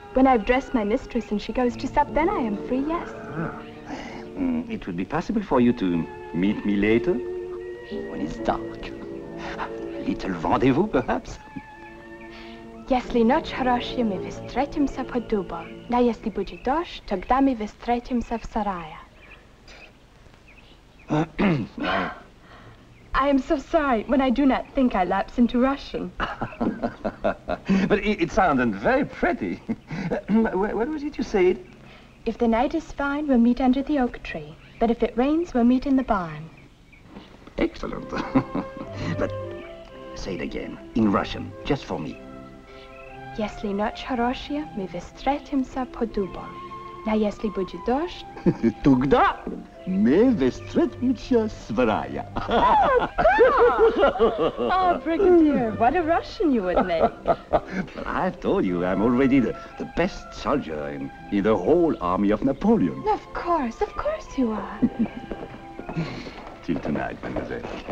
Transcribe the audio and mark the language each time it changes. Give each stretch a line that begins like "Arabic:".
English: When I've dressed my mistress and she goes to sup, then I am free, yes. It would be possible for you to meet me later, when it's dark. A little rendezvous, perhaps?
Russian: Если ночь хорошая, мы встретимся под дубом. Да если будет дождь, тогда мы встретимся в сарае.
English: I am so sorry when I do not think I lapse into Russian. But it sounded very pretty. What was it you said? If the night is fine, we'll meet under the oak tree. But if it rains, we'll meet in the barn. Excellent. But say it again, in Russian, just for me.
Russian: Если ночь хорошая, мы встретимся под дубом. Да если будет дождь... Тогда мы встретимся с Варая.
English: Oh, Brigadier, what a Russian you would make. I told you I'm already the best soldier in the whole army of Napoleon. Of course you are. Till tonight, mademoiselle.